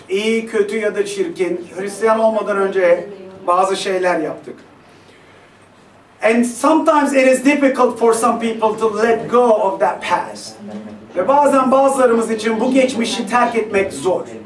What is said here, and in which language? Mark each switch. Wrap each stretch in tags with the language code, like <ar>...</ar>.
<tr>İyi, kötü ya da çirkin. Hristiyan olmadan önce bazı şeyler yaptık.</tr> <en>And sometimes it is difficult for some people to let go of that past.</en> <tr>Ve bazen bazılarımız için bu geçmişi terk etmek zor.</tr>